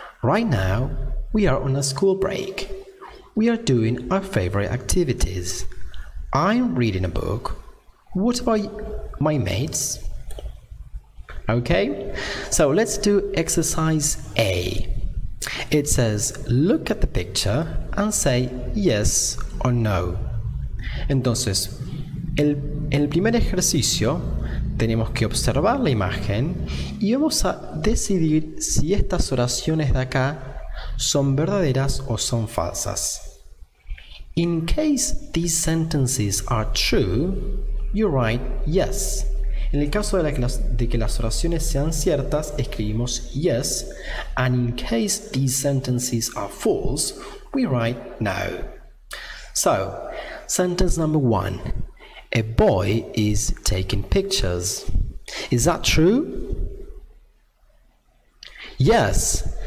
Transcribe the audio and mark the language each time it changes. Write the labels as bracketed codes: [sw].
[en] Right now, we are on a school break. We are doing our favorite activities. I'm reading a book. What about my mates?" Okay, so let's do exercise A. It says, look at the picture and say yes or no. [es] Entonces, el primer ejercicio, tenemos que observar la imagen y vamos a decidir si estas oraciones de acá son verdaderas o son falsas. [en] In case these sentences are true, you write yes. [es] En el caso de que las oraciones sean ciertas, escribimos yes. [en] And in case these sentences are false, we write no. So, sentence number one. A boy is taking pictures. Is that true? Yes.